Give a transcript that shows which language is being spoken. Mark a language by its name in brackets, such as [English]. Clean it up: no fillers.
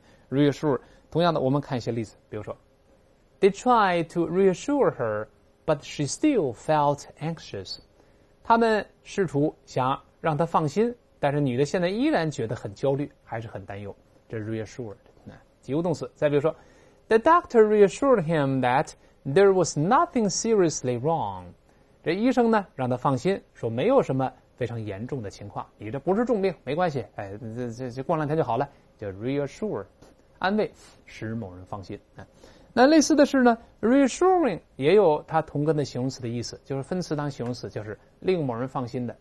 [English] reassure。 [Chinese] 同样的，我们看一些例子，比如说 [English] They tried to reassure herBut she still felt anxious. [Chinese] 他们试图想让她放心，但是女的现在依然觉得很焦虑，还是很担忧。这是 reassured， 及物动词。再比如说 [English] ，The doctor reassured him that there was nothing seriously wrong. [Chinese] 这医生呢，让他放心，说没有什么非常严重的情况，你这不是重病，没关系，哎，这过两天就好了。就 reassure， 安慰，使某人放心。那类似的是呢 ，reassuring 也有它同根的形容词的意思，就是分词当形容词，就是令某人放心的。